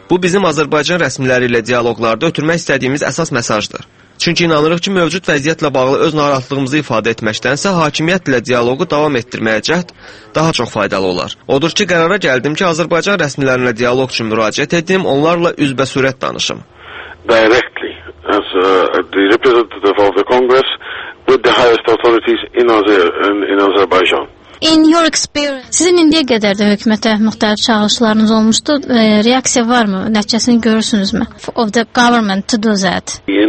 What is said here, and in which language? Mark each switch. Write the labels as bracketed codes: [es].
[az] Bu, bizim Azərbaycan rəsmiləri ilə dialoqlarda ötürmək istədiyimiz əsas məsajdır. Çünki inanırıq ki, mövcud vəziyyətlə bağlı öz narahatlığımızı ifadə etməkdənsə, hakimiyyətlə dialoqu davam etdirməyə cəhd daha çox faydalı olar. Odur ki, qərara gəldim ki, Azərbaycan rəsmilərinə dialoq üçün müraciət edim, onlarla üzbə sürət danışım. [en] Directly, as the representative of the Congress, with the highest authorities in Azerbaijan. In your experience, [az] sizin indiyə qədər də hökumətə müxtəlif çağırışlarınız olmuşdu, reaksiya var mı, nəticəsini görürsünüz mü? [en] Of the government to do that.